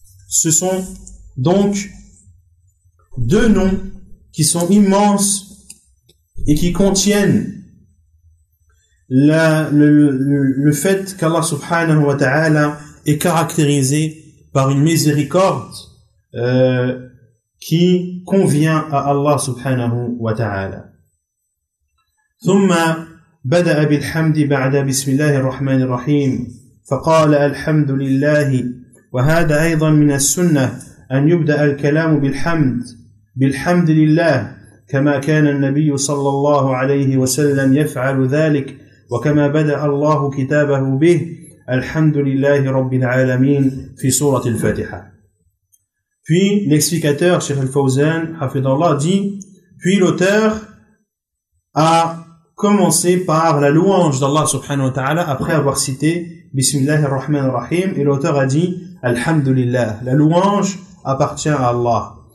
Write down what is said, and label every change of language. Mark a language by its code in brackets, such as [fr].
[fr] Ce sont donc deux noms qui sont immenses et qui contiennent le fait qu'Allah subhanahu wa ta'ala est caractérisé par une miséricorde qui convient à Allah subhanahu wa ta'ala. [ar] ثم بدأ بالحمد بعد بسم الله الرحمن الرحيم فقال الحمد لله وهذا أيضا من السنة أن يبدأ الكلام بالحمد بالحمد لله كما كان النبي صلى الله عليه وسلم يفعل ذلك وكما بدأ الله كتابه به الحمد لله رب العالمين في سورة الفاتحة. [fr] Puis l'explicateur Cheikh Al-Fawzan hafidhahullah dit, puis l'auteur a commencer par la louange d'Allah subhanahu wa ta'ala après avoir cité Bismillah ar-Rahman ar-Rahim, et l'auteur a dit Alhamdulillah, la louange appartient à Allah.